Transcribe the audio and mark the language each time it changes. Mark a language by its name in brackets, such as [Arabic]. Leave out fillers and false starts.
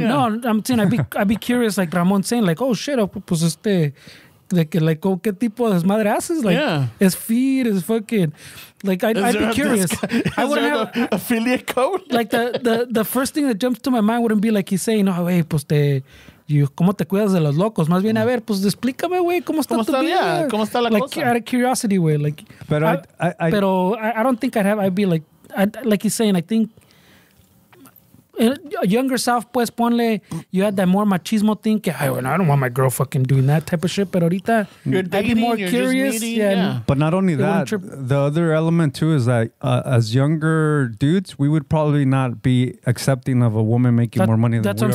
[English] Yeah. No, I'm saying I'd be curious, like Ramon saying, like, oh, shit, pues [Spanish] like, oh, ¿qué tipo de madre haces? Like, [English] yeah. It's feed, it's fucking... Like, I'd be curious. Is there an affiliate code? Like, the first thing that jumps to my mind wouldn't be like he's saying, oh, hey, [Spanish] pues te... You, ¿cómo te cuidas de los locos? Más bien, a ver, pues explícame, güey, ¿cómo está tu vida? ¿Cómo está la like, cosa? [English] Out of curiosity, güey. Like, I don't think I'd be like he's saying, I think... A younger self, pues, ponle, you had that more machismo thing, [Spanish] que, ay, bueno, [English] I don't want my girl fucking doing that type of shit, [Spanish] pero ahorita, [English] you're dating, I'd be more curious. Meeting, yeah. But not only that, the other element, too, is that as younger dudes, we would probably not be accepting of a woman making more money than we are.